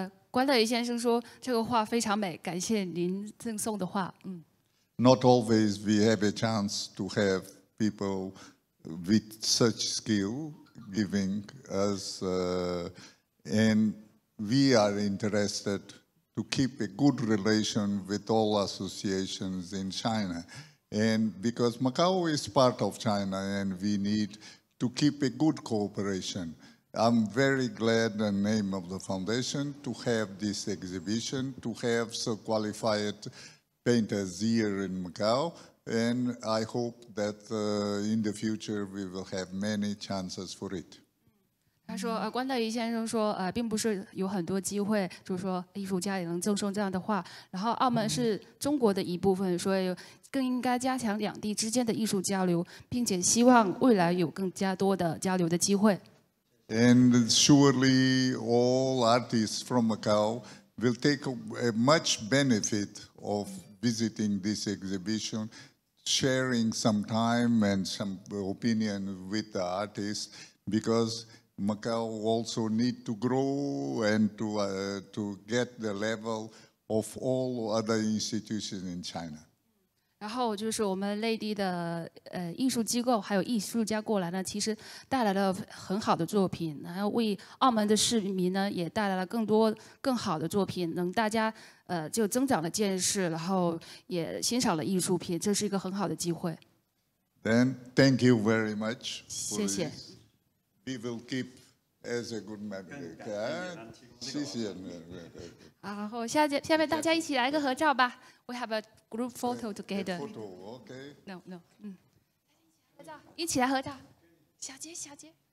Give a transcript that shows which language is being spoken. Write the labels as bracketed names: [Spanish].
[Chinese] 关乐仪先生说这个画非常美，感谢您赠送的画。 [English] Not always we have a chance to have people with such skill giving us, and we are interested to keep a good relation with all associations in China. And because Macau is part of China and we need to keep a good cooperation, I'm very glad in the name of the foundation to have this exhibition, to have so qualified painters here in Macau. And I hope that in the future we will have many chances for it. [Chinese] 他说，关乐仪先生说，并不是有很多机会，就是说艺术家也能赠送这样的画。然后，澳门是中国的一部分，所以更应该加强两地之间的艺术交流，并且希望未来有更加多的交流的机会。 [English] And surely all artists from Macau will take a much benefit of visiting this exhibition, sharing some time and some opinion with the artists, because Macau also need to grow and to get the level of all other institutions in China. [Chinese] 然后就是我们内地的艺术机构还有艺术家过来呢，其实带来了很好的作品，然后为澳门的市民呢也带来了更多更好的作品，能大家就增长了见识，然后也欣赏了艺术品，这是一个很好的机会。 [English] Then thank you very much. [Chinese] 谢谢。 [English] We will keep as a good memory. [Chinese] 谢谢。然后下面大家一起来一个合照吧。 [English] We have a group photo together. Photo, okay. No, no. [Chinese] 合照，一起来合照。小杰，小杰。